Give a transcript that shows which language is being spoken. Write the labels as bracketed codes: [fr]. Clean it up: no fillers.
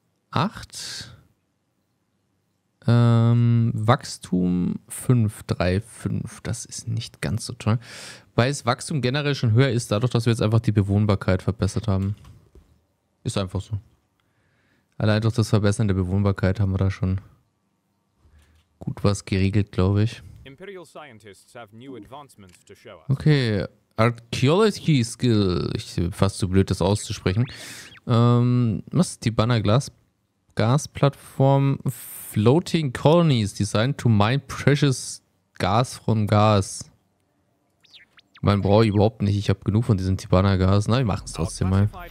[de] 8. Wachstum 5,3,5. Das ist nicht ganz so toll. Weil das Wachstum generell schon höher ist, dadurch, dass wir jetzt einfach die Bewohnbarkeit verbessert haben. Ist einfach so. Allein durch das Verbessern der Bewohnbarkeit haben wir da schon gut was geregelt, glaube ich. [en] Imperial Scientists have new advancements to show us. Okay, Archaeology Skill. [de] Ich bin fast zu blöd, das auszusprechen. Was ist die Banner Glas? [en] Gasplattform Floating Colonies designed to mine precious gas from gas. [de] Man brauche ich überhaupt nicht. Ich habe genug von diesem Tibana Gas. Na, wir machen es trotzdem mal.